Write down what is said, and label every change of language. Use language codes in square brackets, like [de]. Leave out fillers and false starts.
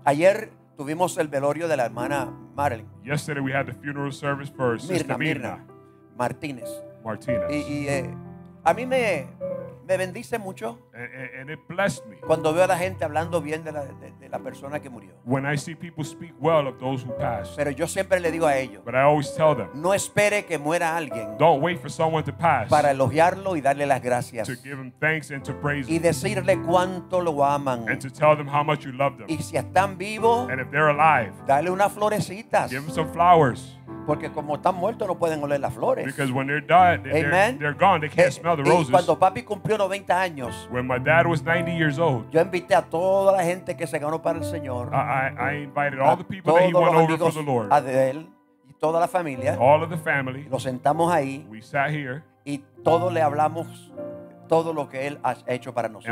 [es] Ayer tuvimos el velorio de la hermana Marilyn. [en] Yesterday we had the funeral service for Mirna Martinez. Martinez. [es] Y a mí me bendice mucho. [en] And it blessed me. [es] Cuando veo a la gente hablando bien de la persona que murió. [en] When I see people speak well of those who passed. [es] Pero yo siempre le digo a ellos. [en] But I always tell them. [es] No espere que muera alguien. [en] Don't wait for someone to pass. [es] Para elogiarlo y darle las gracias. [en] To give them thanks and to praise them. [es] Y decirle cuánto lo aman. [en] And to tell them how much you love them. [es] Y si están vivos. [en] And if they're alive. [es] Dale unas florecitas. [en] Give them some flowers. [es] Porque como están muertos no pueden oler las flores. [en] Because when they're dead, they're gone. They can't smell the roses. [es] Y cuando papi cumplió 90 años. [en] When my dad was 90 years old. [es] Yo invité a toda la gente que se ganó para el Señor. [en] I invited all the people that he won over for the Lord. [es] A él y toda la familia. [en] All of the family. [es] Lo sentamos ahí. [en] We sat here. [es] Y todos le hablamos todo lo que él ha hecho para nosotros.